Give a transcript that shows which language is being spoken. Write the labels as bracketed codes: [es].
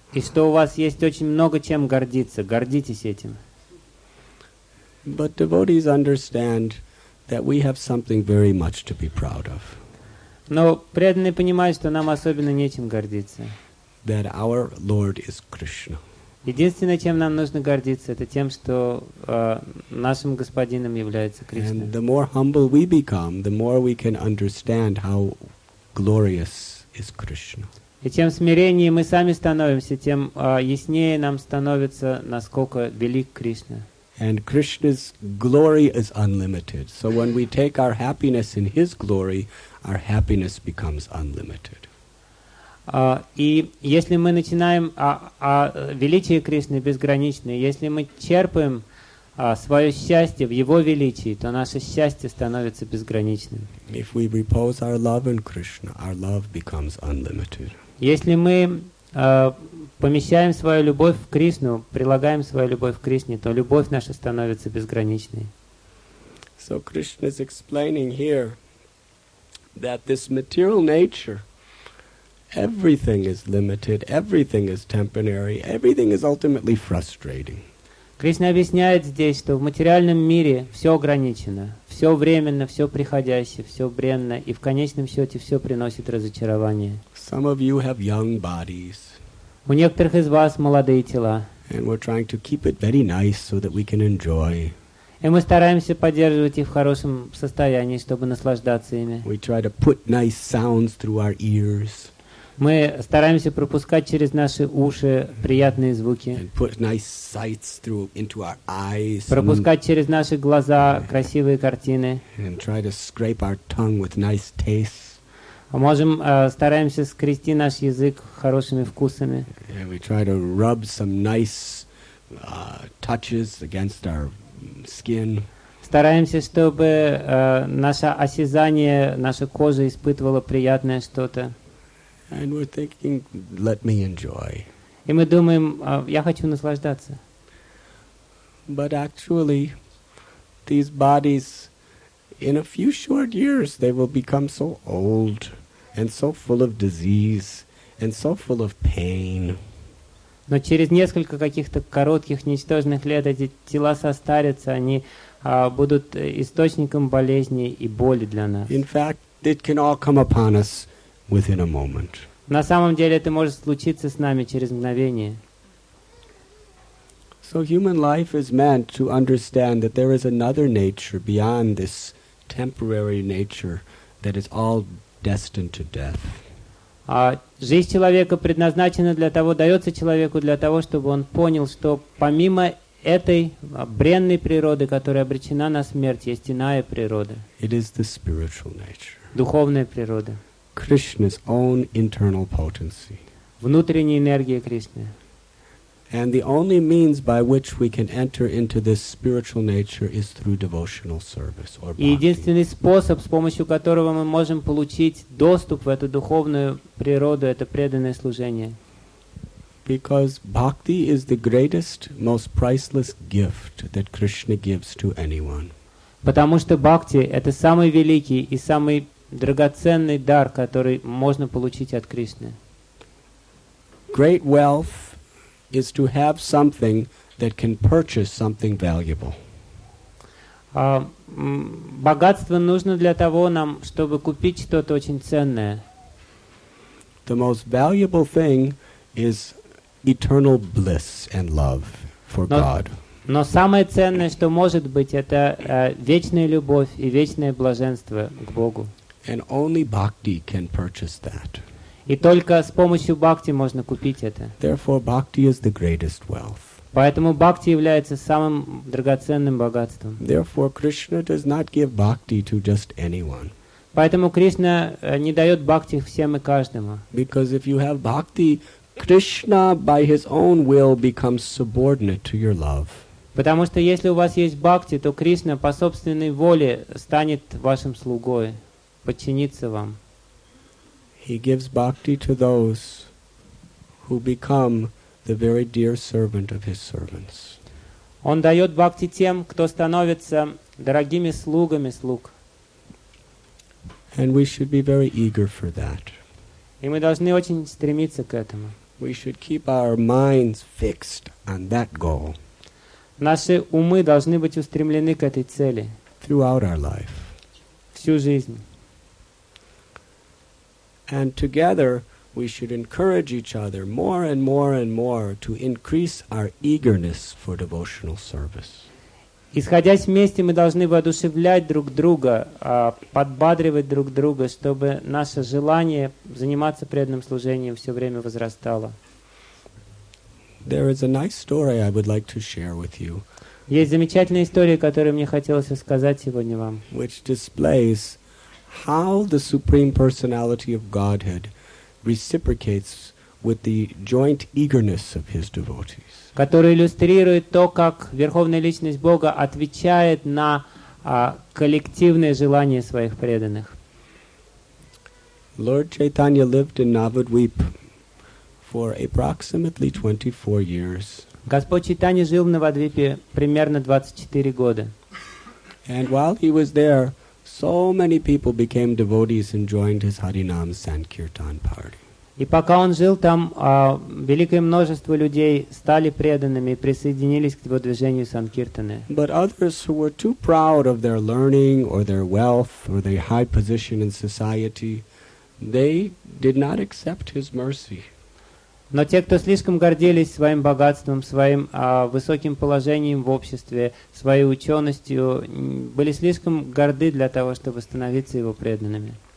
[ru] И что у вас есть очень много чем гордиться. Гордитесь этим. [en] But devotees understand that we have something very much to be proud of. [ru] Но преданные понимают, что нам особенно нечем гордиться. [en] That our Lord is Krishna. [ru] Единственное, чем нам нужно гордиться, это тем, что нашим господином является Кришна. [en] And the more humble we become, the more we can understand how glorious is Krishna. [ru] И чем смиреннее мы сами становимся, тем яснее нам становится, насколько велик Кришна. [en] And Krishna's glory is unlimited. So when we take our happiness in His glory, our happiness becomes unlimited. [ru] И если мы начинаем, величие Кришны безграничное, если мы черпаем свое счастье в Его величии, то наше счастье становится безграничным. [en] If we repose our love in Krishna, our love becomes unlimited. [ru] Если мы помещаем свою любовь в Кришну, прилагаем свою любовь к Кришне, то любовь наша становится безграничной. [en] So Krishna is explaining here that this material nature, everything is limited, everything is temporary, everything is ultimately frustrating. [ru] Кришна объясняет здесь, что в материальном мире все ограничено, все временно, все приходящее, все бренно, и в конечном счете все приносит разочарование. [en] Some of you have young bodies. [ru] У некоторых из вас молодые тела. [en] And we're trying to keep it very nice so that we can enjoy. [ru] И мы стараемся поддерживать их в хорошем состоянии, чтобы наслаждаться ими. [en] We try to put nice sounds through our ears. [ru] Мы стараемся пропускать через наши уши приятные звуки. [en] And put nice sights through into our eyes. [ru] Пропускать через наши глаза красивые картины. [en] And try to scrape our tongue with nice tastes. [ru] Можем, стараемся скрести наш язык хорошими вкусами. [en] And we try to rub some nice touches against our skin. [ru] Стараемся, чтобы наше осязание, наша кожа испытывала приятное что-то. [en] And we're thinking, let me enjoy. [ru] И мы думаем, я хочу наслаждаться. [en] But actually, these bodies, in a few short years, they will become so old and so full of disease and so full of pain. [ru] Но через несколько каких-то коротких ничтожных лет эти тела состарятся, они будут источником болезни и боли для нас. [en] In fact, it can all come upon us within a moment. [ru] На самом деле это может случиться с нами через мгновение. [en] So human life is meant to understand that there is another nature beyond this temporary nature that is all destined to death. [ru] А жизнь человека предназначена для того, дается человеку для того, чтобы он понял, что помимо этой бренной природы, которая обречена на смерть, есть иная природа. [en] It is the spiritual nature. [ru] Духовная природа. [en] Krishna's own internal potency. [ru] Внутренняя энергия Кришны. [en] And the only means by which we can enter into this spiritual nature is through devotional service or bhakti. [ru] Единственный способ, с помощью которого мы можем получить доступ в эту духовную природу, это преданное служение. [en] Because bhakti is the greatest, most priceless gift that Krishna gives to anyone. [ru] Потому что бхакти это самый великий и самый драгоценный дар, который можно получить от Кришны. [en] Great wealth is to have something that can purchase something valuable. [ru] Богатство нужно для того нам, чтобы купить что-то очень ценное. [en] The most valuable thing is eternal bliss and love for God. [ru] Но самое ценное, что может быть, это вечная любовь и вечное блаженство к Богу. [en] And only bhakti can purchase that. [ru] И только с помощью бхакти можно купить это. [en] Therefore, bhakti is the greatest wealth. [ru] Поэтому бхакти является самым драгоценным богатством. [en] Therefore, Krishna does not give bhakti to just anyone. [ru] Поэтому Кришна не дает бхакти всем и каждому. [en] Because if you have bhakti, Krishna by his own will becomes subordinate to your love. [ru] Потому что если у вас есть бхакти, то Кришна по собственной воле станет вашим слугой, подчинится вам. [en] He gives bhakti to those who become the very dear servant of his servants. [ru] Он дает бхакти тем, кто становится дорогими слугами слуг. [en] And we should be very eager for that. [ru] И мы должны очень стремиться к этому. [en] We should keep our minds fixed on that goal. [ru] Наши умы должны быть устремлены к этой цели. [en] Throughout our life. [ru] Всю жизнь. [en] And together we should encourage each other more and more and more to increase our eagerness for devotional service. [ru] Исходясь вместе, мы должны воодушевлять друг друга, подбадривать друг друга, чтобы наше желание заниматься преданным служением все время возрастало. [en] There is a nice story I would like to share with you. [ru] Есть замечательная история, которую мне хотелось рассказать сегодня вам. [en] Which displays how the Supreme Personality of Godhead reciprocates with the joint eagerness of his devotees. [ru] Который иллюстрирует то, как Верховная Личность Бога отвечает на коллективное желание своих преданных. [en] Lord Chaitanya lived in Navadvip for approximately 24 years. [ru] Господь Чайтанья жил в Навадвипе примерно 24 года. [en] And while he was there, so many people became devotees and joined his Harinam Sankirtan party. [ru] И пока он жил там, великое множество людей стали преданными и присоединились к его движению Санкиртаны. [en] But others who were too proud of their learning or their wealth or their high position in society, they did not accept his mercy. [ru] Но те, кто слишком гордились своим богатством, своим высоким положением в обществе, своей ученостью, были слишком горды для того, чтобы становиться его преданными.